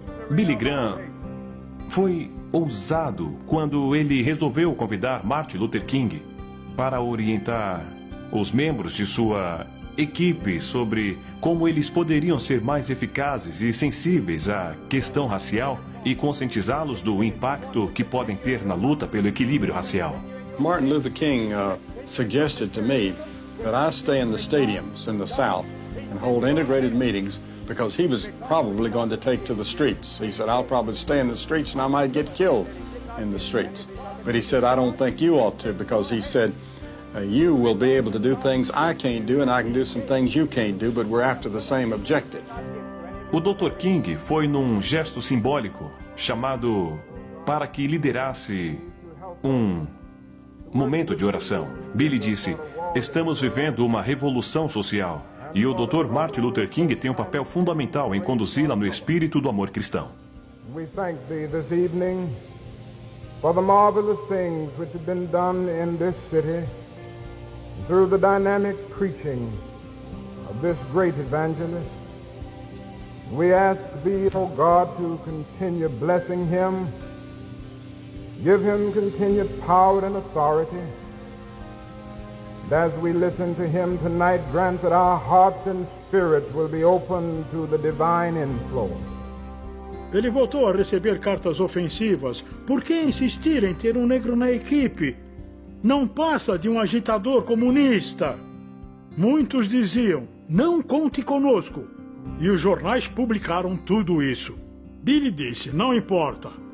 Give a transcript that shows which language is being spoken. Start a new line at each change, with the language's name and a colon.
Portuguese: Billy Graham foi ousado quando ele resolveu convidar Martin Luther King para orientar os membros de sua equipe sobre como eles poderiam ser mais eficazes e sensíveis à questão racial e conscientizá-los do impacto que podem ter na luta pelo equilíbrio racial.
English: Martin Luther King suggested to me that I stay in the stadiums in the South and hold integrated meetings because he was probably going to take to the streets. He said, I'll probably stay in the streets and I might get killed in the streets. But he said, I don't think you ought to because he said, you will be able to do things I can't do and I can do some things you can't do, but we're after the same objective.
Portuguese: O Dr. King foi num gesto simbólico chamado para que liderasse um momento de oração. Billy disse, estamos vivendo uma revolução social e o Dr. Martin Luther King tem um papel fundamental em conduzi-la no espírito do amor cristão.
English: We thank thee this evening for the marvelous things which have been done in this city through the dynamic preaching of this great evangelist. We ask thee, O God, to continue blessing him. Give him continued power and authority. And as we listen to him tonight, grant that our hearts and spirits will be open to the divine inflow.
Portuguese: Ele voltou a receber cartas ofensivas. Por que insistir em ter um negro na equipe? Não passa de um agitador comunista. Muitos diziam, não conte conosco. E os jornais publicaram tudo isso. Billy disse, não importa.